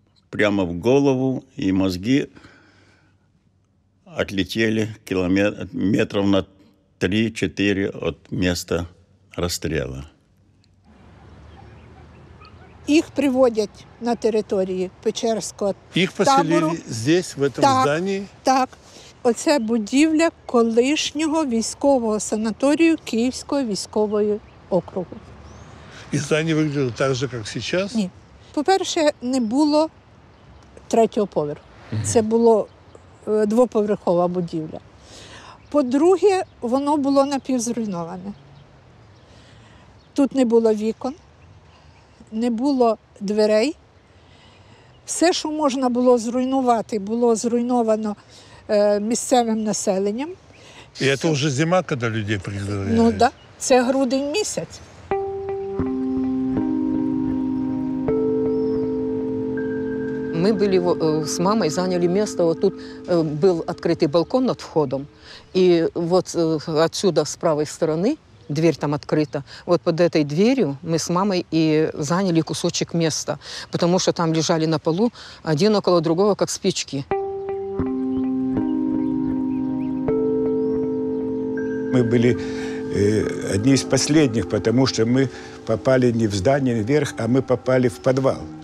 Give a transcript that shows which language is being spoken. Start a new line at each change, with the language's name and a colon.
Russian: прямо в голову, и мозги отлетели метров на 3-4 от места расстрела. Их приводят на территории Печерского
Ukrainian: табору.
Russian: Их поселили здесь, в этом здании?
Ukrainian: Так. Оце будівля колишнього військового санаторію Київського військового округу. І
Russian: здание
Ukrainian: виглядало так же, як
Russian: сейчас?
Ukrainian: Ні. По-перше, не було 3-го поверху. Це було 2-поверхова будівля. По-друге, воно було напівзруйноване. Тут не було вікон. Не було дверей. Все, що можна було зруйнувати, було зруйновано місцевим населенням. І це вже зима, коли людей призвали? Ну так.
Russian: Да.
Ukrainian: Це грудень місяць. Ми були з мамою, зайняли місце. Отут був відкритий балкон над входом. І от відсюди, з правої сторони,
Russian: дверь там открыта. Вот под этой дверью мы с мамой и заняли кусочек места, потому что там лежали на полу один около другого, как спички. Мы были одни из последних, потому что мы попали не в здание вверх, а мы попали в подвал.